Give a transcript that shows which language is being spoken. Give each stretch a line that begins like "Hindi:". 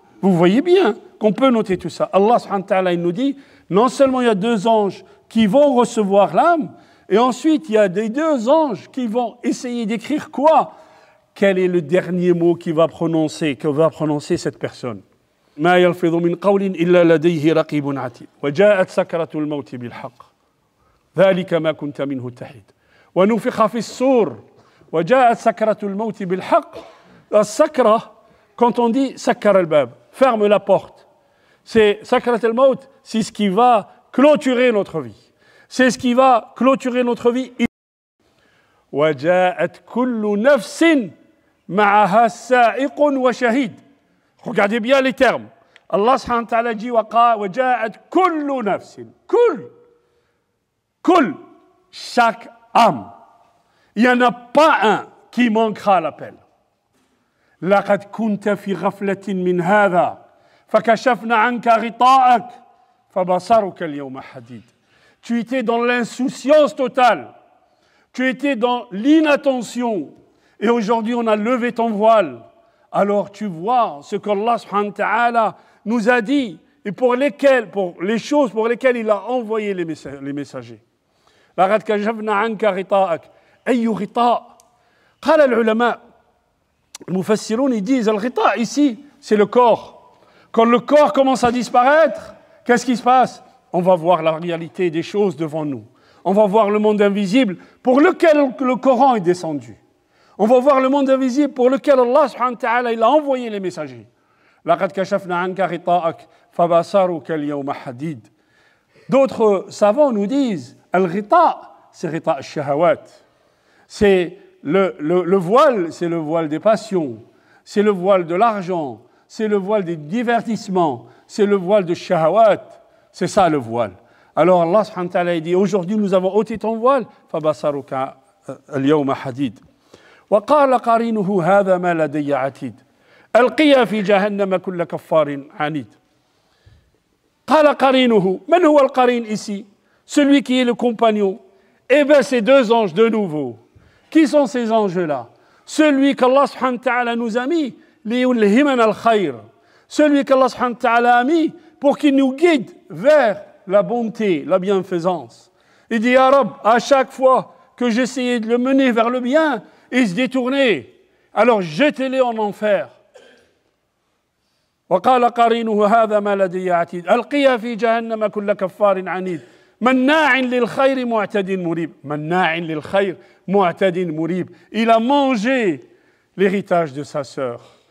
French: Vous voyez bien qu'on peut noter tout ça. Allah subhanahu wa ta'ala, il nous dit, non seulement il y a deux anges qui vont recevoir l'âme, et ensuite il y a des deux anges qui vont essayer d'écrire quoi? Quel est le dernier mot que va prononcer cette personne?
Arabic: ما يلفظ من قول إلا لديه رقيب عتيد وجاءت سكرة الموت بالحق ذلك ما كنت منه تحيد ونفخ في الصور وجاءت سكرة الموت بالحق السكرة
French: quand on dit
Arabic: sakkar al-bab,
French: ferme la porte, c'est
Arabic: sakkarat al-maut,
French: c'est ce qui va clôturer notre vie. C'est ce qui va clôturer notre vie.
Arabic: Wa ja'at kullu nafsin ma'aha sa'iqun wa shahid.
French: Regardez bien les termes. Allah subhanahu wa ta'ala dit
Arabic: wa ja'at kullu nafsin.
French: Kull, chaque âme. Il n'y en a pas un qui manquera à l'appel.
Arabic: لقد كنت في غفلة من هذا فكشفنا عنك غطاءك فبصرك اليوم حديد.
French: Tu étais dans l'insouciance totale. Tu étais dans l'inattention. Et aujourd'hui, on a levé ton voile. Alors, tu vois ce qu'Allah subhanahu wa ta'ala nous a dit et pour les choses pour lesquelles il a envoyé les messagers.
Arabic: لقد كشفنا عنك غطاءك. أي غطاء؟ قال العلماء المفسرون يقولون الغطاء
French: ici c'est le corps. Quand le corps commence à disparaître, qu'est-ce qui se passe? On va voir la réalité des choses devant nous. On va voir le monde invisible pour lequel le Coran est descendu. On va voir le monde invisible pour lequel Allah subhanahu wa ta'ala il a envoyé les messagers.
Arabic: لقد كشفنا عنك غطاءك فبصرك اليوم حديد.
French: D'autres savants nous disent
Arabic: الغطاء
French: c'est
Arabic: غطاء الشهوات.
French: C'est le voile, c'est le voile des passions, c'est le voile de l'argent, c'est le voile des divertissements, c'est le voile de shahawat, c'est ça le voile. Alors Allah subhanahu wa ta'ala dit, aujourd'hui nous avons ôté ton voile,
Arabic: فَبَصَرُكَ الْيَوْمَ حَدِيدٌ وَقَالَ قَارِنُهُ هَذَا مَا لَدَيَّ عَتِيدٌ الْقِيَا فِي جَهَنَّمَ كُلَّ كَفَّارٍ عَنِيدٌ قَالَ قَارِنُهُ مَنْ هُوَ الْقَارِنُ
French: ici? Celui qui est le compagnon. Eh bien ces deux anges de nouveau. Qui sont ces anges-là? Celui qu'Allah subhanahu wa ta'ala nous a mis,
Arabic: لِيُلْهِمَنَ الْخَيْرِ.
French: Celui qu'Allah subhanahu wa ta'ala a mis pour qu'il nous guide vers la bonté, la bienfaisance. Il dit, « Ya Rab, à chaque fois que j'essayais de le mener vers le bien, il se détournait. Alors jetez-le en enfer. »
Arabic: وَقَالَ قَارِنُهُ هَذَا مَا لَدَيَّ عَتِيدٌ أَلْقِيَا فِي جَهَنَّمَ كُلَّ كَفَّارٍ عَنِيدٍ مَنَّاعٍ لِلْخَيْرِ مُعْتَدٍ مُرِيبٍ مَنَّاعٍ لِلْخَيْرِ مُعْتَدٍ مُرِيبٍ.
French: Il a mangé l'héritage de sa sœur.